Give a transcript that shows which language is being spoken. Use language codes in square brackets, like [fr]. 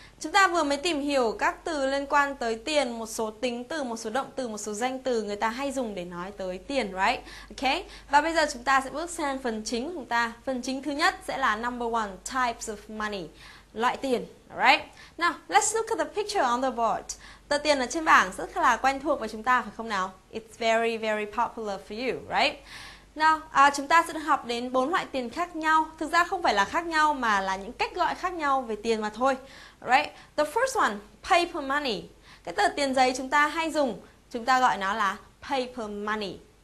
[vi] Chúng ta vừa mới tìm hiểu các từ liên quan tới tiền, một số tính từ, một số động từ, một số danh từ người ta hay dùng để nói tới tiền, right? Okay. Và bây giờ chúng ta sẽ bước sang phần chính của chúng ta. Phần chính thứ nhất sẽ là [en] number one, types of money, [vi] loại tiền. [en] Alright, now let's look at the picture on the board. [vi] Tờ tiền ở trên bảng rất là quen thuộc với chúng ta, phải không nào? [en] It's very, very popular for you, right? [vi] Now, chúng ta sẽ được học đến 4 loại tiền khác nhau. Thực ra không phải là khác nhau mà là những cách gọi khác nhau về tiền mà thôi. Right? [en] The first one, paper money. [vi] Cái tờ tiền giấy chúng ta hay dùng, chúng ta gọi nó là paper money.